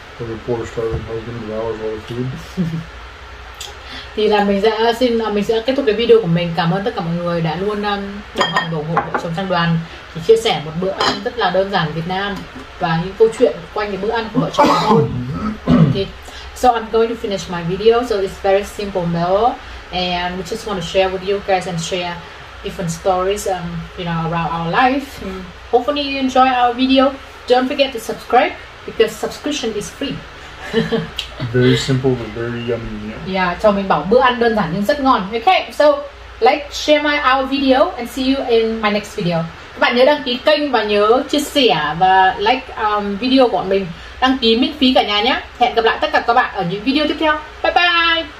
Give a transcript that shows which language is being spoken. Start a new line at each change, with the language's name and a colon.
English: For the poor starving husband who devours all the food.
Vietnamese: Thì là mình sẽ xin mình sẽ kết thúc cái video của mình. Cảm ơn tất cả mọi người đã luôn đồng hành ủng hộ vợ chồng Trang Đoàn, thì chia sẻ một bữa ăn rất là đơn giản Việt Nam và những câu chuyện quanh những bữa ăn của vợ chồng thôi.
English: Thì so I'm going to finish my video, so it's very simple meal and we just want to share with you guys and share different stories you know around our life. Hopefully you enjoy our video. Don't forget to subscribe because subscription is free. Very simple but very yummy.
Vietnamese: Yeah, cho mình bảo bữa ăn đơn giản nhưng rất ngon.
English: Okay, so like, share my our video and see you in my next video.
Vietnamese: Các bạn nhớ đăng ký kênh và nhớ chia sẻ và like video của mình. Đăng ký miễn phí cả nhà nhé. Hẹn gặp lại tất cả các bạn ở những video tiếp theo. Bye bye.